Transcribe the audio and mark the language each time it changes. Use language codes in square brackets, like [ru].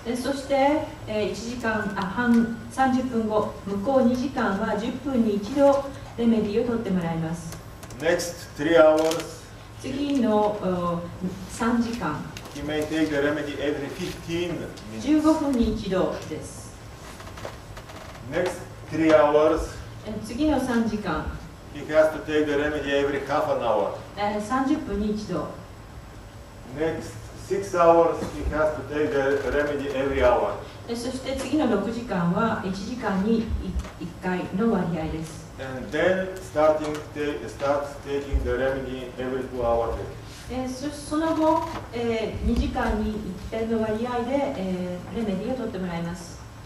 [ja] で、そして、1時間半、30分後、向こう2時間は10分に1度レメディを取ってもらいます。 [en] Next 3 hours [ja] 次の3時間 [en] he may take the remedy every 15 minutes. [ja] 15分に1度です。 [en] Next 3 hours [ja] 次の3時間 [en] He has to take the remedy every half an hour. [ja] 30分に一度。 [en] Next 6 hours, he has to take the remedy every hour. [ja] そして次の6時間は1時間に1回の割合です。 [en] And then starts taking the remedy every 2 hours. [ja] その後、2時間に1回の割合で、レメディを取ってもらいます。